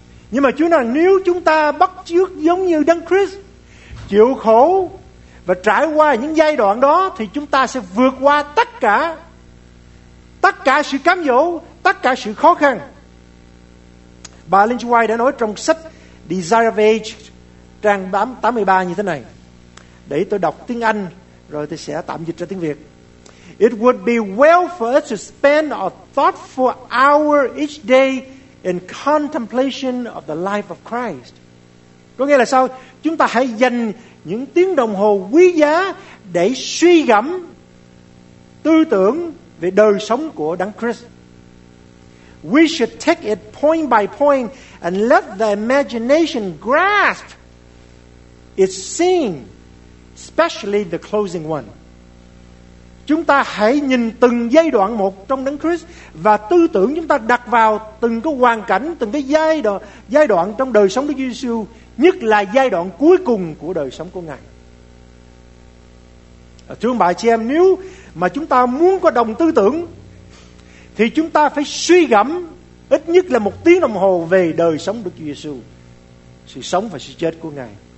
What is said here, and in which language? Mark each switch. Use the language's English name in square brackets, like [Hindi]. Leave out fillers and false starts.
[Vietnamese] Nhưng mà Chúa nói nếu chúng ta bắt chước giống như Đấng Christ, chịu khổ và trải qua những giai đoạn đó, thì chúng ta sẽ vượt qua tất cả sự cám dỗ, tất cả sự khó khăn. Bà Ellen G. White đã nói trong sách Desire of Age trang 83 như thế này, để tôi đọc tiếng Anh rồi tôi sẽ tạm dịch ra tiếng Việt. [English] It would be well for us to spend a thoughtful hour each day in contemplation of the life of Christ. [Vietnamese] Có nghĩa là sao? Chúng ta hãy dành những tiếng đồng hồ quý giá để suy gẫm tư tưởng về đời sống của Đấng Christ. [English] We should take it point by point and let the imagination grasp its scene, especially the closing one. [Vietnamese] chúng ta hãy nhìn từng giai đoạn một trong Đấng Christ và tư tưởng chúng ta đặt vào từng cái hoàn cảnh, từng cái giai đoạn trong đời sống Đức Giêsu, nhất là giai đoạn cuối cùng của đời sống của Ngài. Thưa bà chị em, nếu mà chúng ta muốn có đồng tư tưởng thì chúng ta phải suy gẫm ít nhất là một tiếng đồng hồ về đời sống Đức Giêsu, sự sống và sự chết của Ngài.